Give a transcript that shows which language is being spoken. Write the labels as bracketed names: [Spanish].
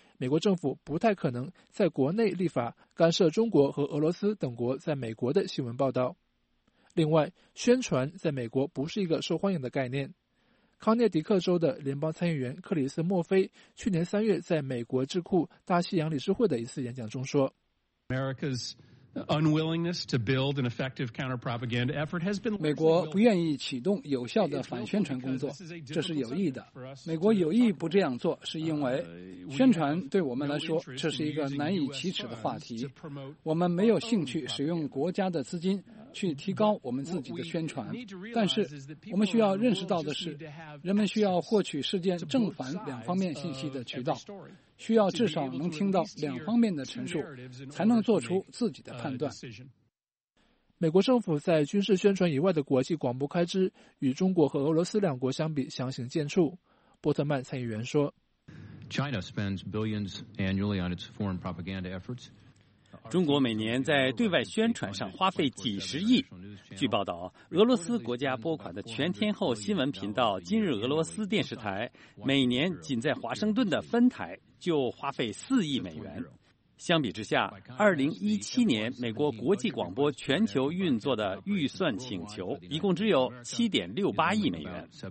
[Chinese] 美国政府不太可能在国内立法干涉中国和俄罗斯等国在美国的新闻报道。另外，宣传在美国不是一个受欢迎的概念。康涅狄克州的联邦参议员克里斯·墨菲去年3月在美国智库大西洋理事会的一次演讲中说， [English] America's unwillingness to build an effective counter-propaganda effort has been [Chinese] 美国不愿意启动有效的反宣传工作，这是有意的。美国有意不这样做，是因为宣传对我们来说这是一个难以启齿的话题。我们没有兴趣使用国家的资金去提高我们自己的宣传，但是我们需要认识到的是，人们需要获取事件正反两方面信息的渠道，需要至少能听到两方面的陈述，才能做出自己的判断。美国政府在军事宣传以外的国际广播开支，与中国和俄罗斯两国相比，相形见绌。波特曼参议员说 [English] ：“China spends billions annually on its foreign propaganda efforts.” [Chinese] 中国每年在对外宣传上花费几十亿。据报道，俄罗斯国家拨款的全天候新闻频道今日俄罗斯电视台每年仅在华盛顿的分台就花费4亿美元。相比之下，2017年美国国际广播全球运作的预算请求一共只有7.68亿美元。